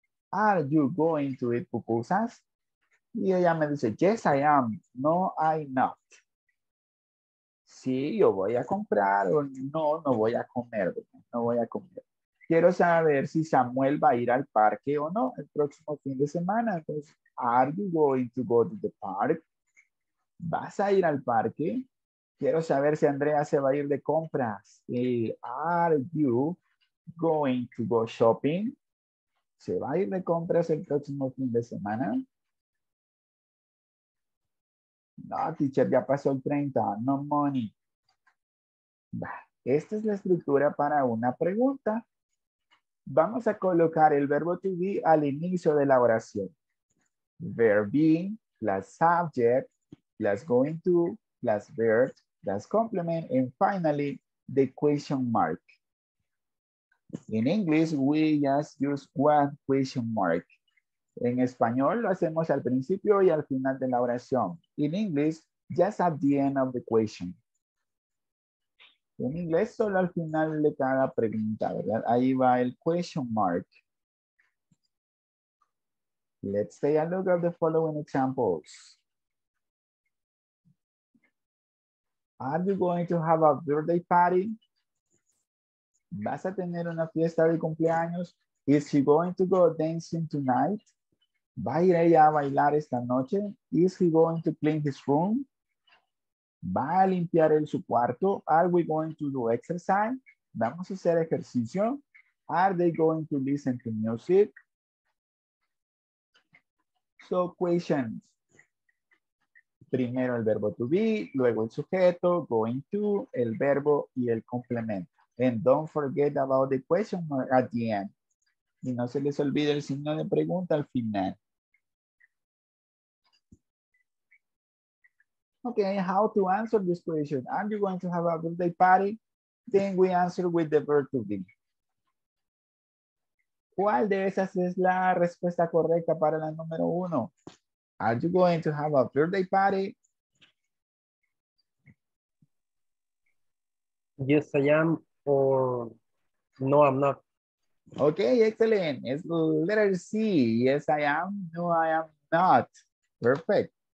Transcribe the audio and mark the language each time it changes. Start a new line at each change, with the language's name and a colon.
English: Are you going to eat pupusas? Y ella me dice, yes, I am. No, I'm not.
Spanish: Sí, yo voy a comprar o no, no voy a comer. No voy a comer. Quiero saber si Samuel va a ir al parque o no el próximo fin de semana.
English: Entonces, are you going to go to the park?
Spanish: ¿Vas a ir al parque? Quiero saber si Andrea se va a ir de compras. Are you going to go shopping? ¿Se va a ir de compras el próximo fin de semana? No, teacher, ya pasó el 30. No money. Esta es la estructura para una pregunta. Vamos a colocar el verbo to be al inicio de la oración.
English: Verb be, plus subject, plus going to, plus verb, plus complement, and finally, the question mark. In English, we just use one question mark.
Spanish: En español lo hacemos al principio y al final de la oración.
English: In English, just at the end of the question.
Spanish: En inglés, solo al final de cada pregunta, ¿verdad? Ahí va el question mark.
English: Let's take a look at the following examples. Are you going to have a birthday party?
Spanish: ¿Vas a tener una fiesta de cumpleaños? Is he going to go dancing tonight? ¿Va a ir ella a bailar esta noche?
English: Is he going to clean his room? ¿Va a limpiar su cuarto? Are we going to do exercise? ¿Vamos a hacer ejercicio? Are they going to listen to music? So, questions.
Spanish: Primero el verbo to be, luego el sujeto, going to, el verbo y el complemento.
English: And don't forget about the question mark at the end.
Spanish: Y no se les olvide el signo de pregunta al final.
English: Okay, how to answer this question? Are you going to have a birthday party? Then we answer with the verb to be.
Spanish: ¿Cuál de esas es la respuesta correcta para la número uno?
English: Are you going to have a birthday party? Yes, I am, or no, I'm not. Okay, excellent. It's letter C. Yes, I am. No, I am not. Perfect.